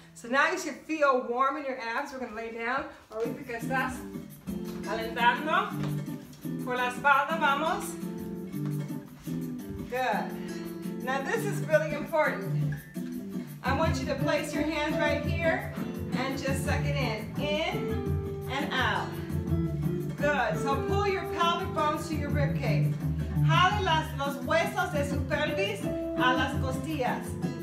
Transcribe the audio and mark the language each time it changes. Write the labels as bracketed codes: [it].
[en] So now you should feel warm in your abs. We're gonna lay down. [es] Ahorita que estás calentando por la espalda, vamos. [en] Good. Now this is really important. I want you to place your hands right here and just suck it in and out. Good. So pull your pelvic bones to your ribcage. [es] Jale los huesos de su pelvis a las costillas.